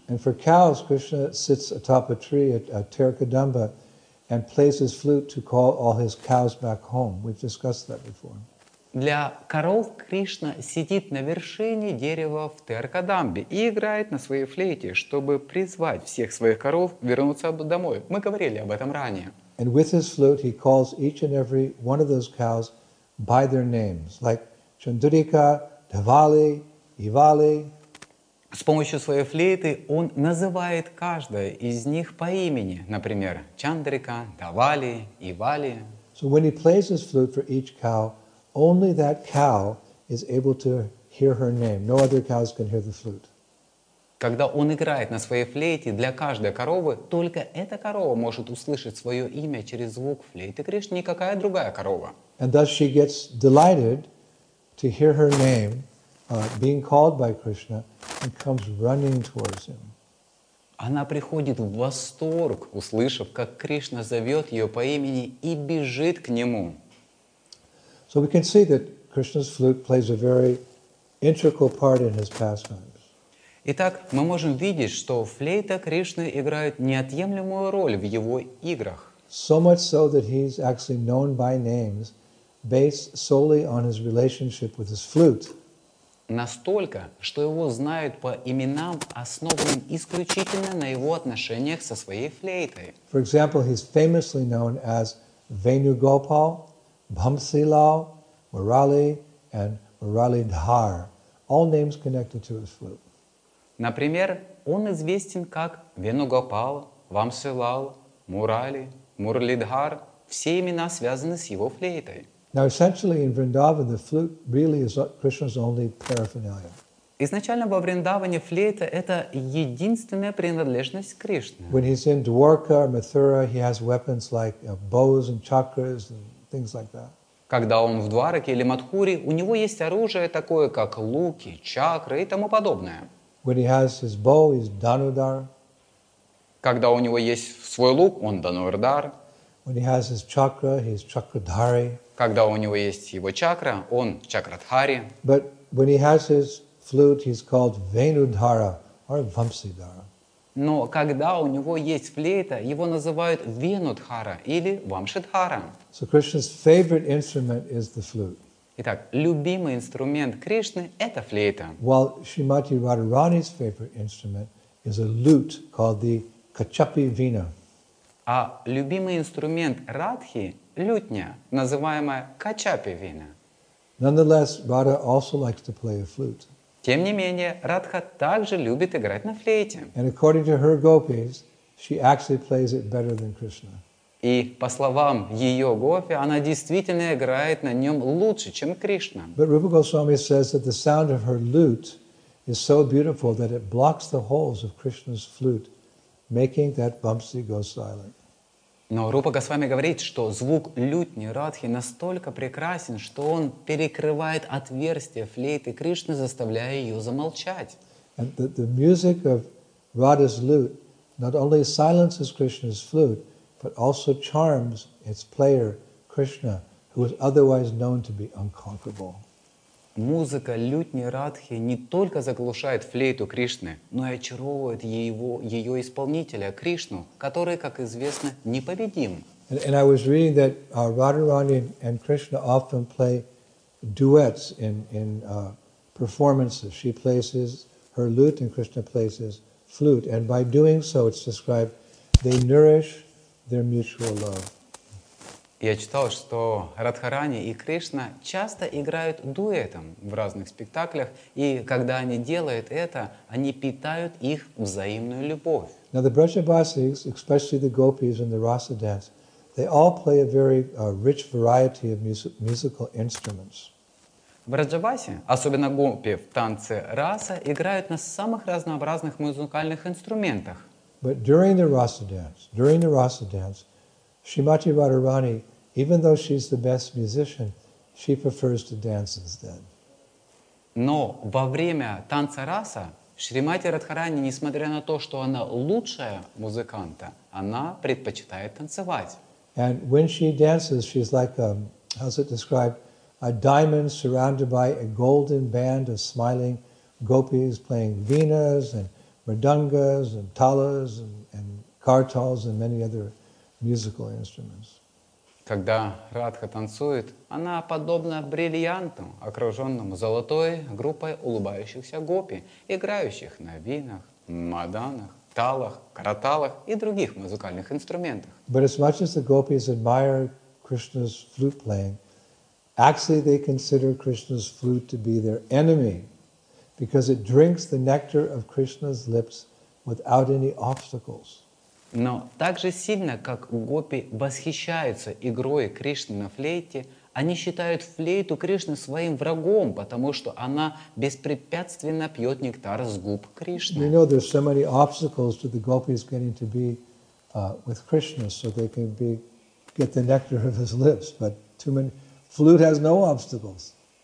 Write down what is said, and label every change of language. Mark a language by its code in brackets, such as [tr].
[en] And for cows, Krishna sits atop a tree at Tirukkadamba and plays his flute to call all his cows back home. We've discussed that before. [ru] Для коров Кришна сидит на вершине дерева в Тиркадамбе и играет на своей флейте, чтобы призвать всех своих коров вернуться домой. Мы говорили об этом ранее. [en] And with his flute, he calls each and every one of those cows by their names, like Chandrika, Dhavali, Ivali. [ru] С помощью своей флейты он называет каждое из них по имени, например, Чандрика, Дхавали, Ивали. [en] So when he plays his flute for each cow, only that cow is able to hear her name. No other cows can hear the flute. [ru] Когда он играет на своей флейте для каждой коровы, только эта корова может услышать свое имя через звук флейты Кришны, никакая другая корова. [en] And thus she gets delighted to hear her name being called by Krishna and comes running towards him. [ru] Она приходит в восторг, услышав, как Кришна зовет ее по имени и бежит к нему. [en] So we can see that Krishna's flute plays a very integral part in his pastimes. [ru] Итак, мы можем видеть, что флейта Кришны играет неотъемлемую роль в его играх. [en] So much so that he's actually known by names based solely on his relationship with his flute. [ru] Настолько, что его знают по именам, основанным исключительно на его отношениях со своей флейтой. [en] For example, he's famously known as Venugopal, Bhamsilal, Murali, and Murali Dhar. All names connected to his flute. [ru] Например, он известен как Venugopal, Bhamsilal, Murali, Murali Dhar. Все имена связаны с его флейтой. [en] Now, essentially, in Vrindavan, the flute really is Krishna's only paraphernalia. [ru] Изначально во Вриндаване флейта – это единственная принадлежность Кришны. [en] When he's in Dwarka or Mathura, he has weapons like bows and chakras and things like that. [ru] Когда он в Двараке или Мадхуре, у него есть оружие такое, как луки, чакры и тому подобное. [en] When he has his bow, he's Dhanudar. [ru] Когда у него есть свой лук, он Dhanurdhar. [en] When he has his chakra, he's Chakradhari. [ru] Когда у него есть его чакра, он Чакрадхари. [en] But when he has his flute, he's called Venudhara or Vamsidhara. [ru] Но когда у него есть флейта, его называют Venudhara или Vamsidhara. [en] So Krishna's favorite instrument is the flute. [ru] Итак, любимый инструмент Кришны – это флейта. [en] While Srimati Radharani's favorite instrument is a lute called the Kachapi Veena. [ru] А любимый инструмент радхи – лютня, называемая качапевина. [en] Nonetheless, Radha also likes to play a flute. [ru] Тем не менее, Радха также любит играть на флейте. [en] And according to her gopis, she actually plays it better than Krishna. [ru] И по словам ее гопи, она действительно играет на нем лучше, чем Кришна. [en] But Rupa Goswami says that the sound of her lute is so beautiful that it blocks the holes of Krishna's flute, making that bumpsy go silent. [ru] Но Рупа Госвами говорит, что звук лютни Радхи настолько прекрасен, что он перекрывает отверстие флейты Кришны, заставляя ее замолчать. [en] And the music of Radha's lute not only silences Krishna's flute, but also charms its player, Krishna, who is otherwise known to be unconquerable. [ru] Музыка лютни Радхи не только заглушает флейту Кришны, но и очаровывает ее исполнителя, Кришну, который, как известно, непобедим. [en] And I was reading that Radharani and Krishna often play duets in performances. She plays her lute and Krishna plays his flute. And by doing so, it's described, they nourish their mutual love. [ru] Я читал, что Радхарани и Кришна часто играют дуэтом в разных спектаклях, и когда они делают это, они питают их взаимную любовь. [en] Now the Brajavasis, especially the gopis in the rasa dance, they all play a very rich variety of musical instruments. [ru] Браджаваси, особенно гопи в танце раса, играют на самых разнообразных музыкальных инструментах. [en] But during the rasa dance, Shrimati Radharani, even though she's the best musician, she prefers to dance instead. [ru] Но во время танца раса Шримати Радхарани, несмотря на то, что она лучшая музыканта, она предпочитает танцевать. [en] And when she dances, she's like a diamond surrounded by a golden band of smiling gopis playing veenas and mridangas and talas and kartals and many other musical instruments. [ru] Когда Радха танцует, она подобна бриллианту, окруженному золотой группой улыбающихся гопи, играющих на винах, маданах, талах, караталах и других музыкальных инструментах. [en] But as much as the gopis admire Krishna's flute playing, actually they consider Krishna's flute to be their enemy, because it drinks the nectar of Krishna's lips without any obstacles. [ru] Но так же сильно, как гопи восхищаются игрой Кришны на флейте, они считают флейту Кришны своим врагом, потому что она беспрепятственно пьет нектар с губ Кришны. [en] You know, there's so many obstacles to the gopis getting to be with Krishna, so they can get the nectar of his lips, but too many flute has no obstacles.